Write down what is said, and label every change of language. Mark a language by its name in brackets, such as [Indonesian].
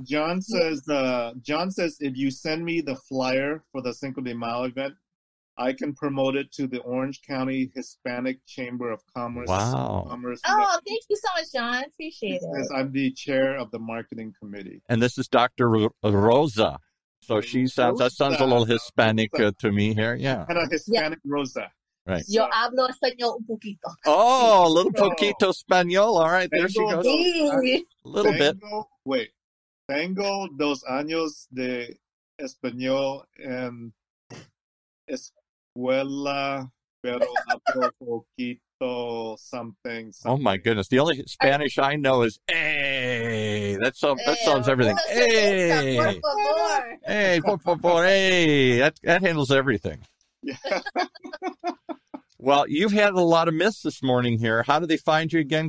[English] John says, if you send me the flyer for the Cinco de Mayo event, I can promote it to the Orange County Hispanic Chamber of Commerce. Wow. Thank you so much, John. Appreciate it. I'm the chair of the marketing committee. And this is Dr. Rosa. So she sounds, that sounds a little Hispanic to me here. Yeah. And a Hispanic Rosa. Right. [Spanish] Yo hablo español un poquito. [English] Oh, a little [Spanish] poquito español. [English] All right. There she goes. Hey. A little bit. Wait. [Spanish] Tengo dos años de español en escuela, pero hablo poquito [English] something, something. Oh, my goodness. The only Spanish I know is hey. That's all, hey, that solves everything. Hey. Hey, [Spanish] por favor. [English] Hey. That handles everything. Yeah. Well, you've had a lot of myths this morning here. How do they find you again?